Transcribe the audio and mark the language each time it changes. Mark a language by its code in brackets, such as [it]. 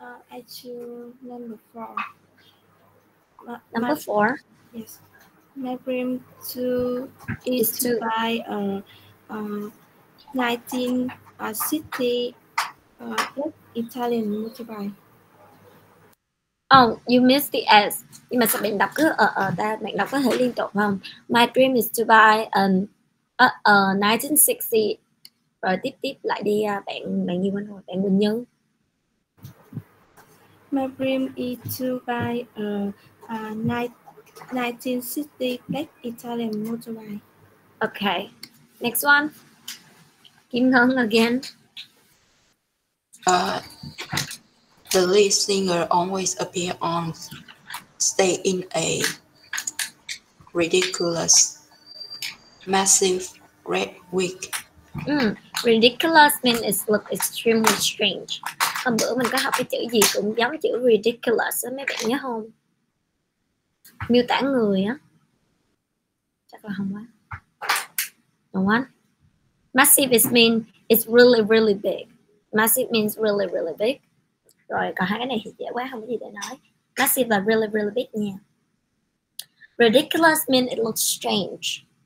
[en] I choose number four. Number four? Yes. My dream is to buy a 1960 Italian motorbike. Oh, you missed the S. [vi] Nhưng mà sao bạn đọc cứ ở ta, bạn đọc có thể liên tục không? [en] My dream is to buy an 1960. [vi] Rồi tiếp tiếp lại đi bạn Nguyễn Quỳnh, bạn Quỳnh Như. [en] My dream is to buy a 1960 black Italian motorbike. Okay, next one. Kim Ngân again. The lead singer always appear on stage in a ridiculous, massive red wig. Ridiculous means it looks extremely strange. [vi] Hôm bữa mình có học cái chữ gì cũng giống chữ ridiculous á, mấy bạn nhớ không? Miêu tả người á. Chắc là không quá. Đúng không? [en] Massive is mean it's really really big. Massive means really really big. [vi] Rồi còn hai cái này thì dễ quá, không có gì để nói. [en] Massive là really really big nha. Ridiculous means it looks strange.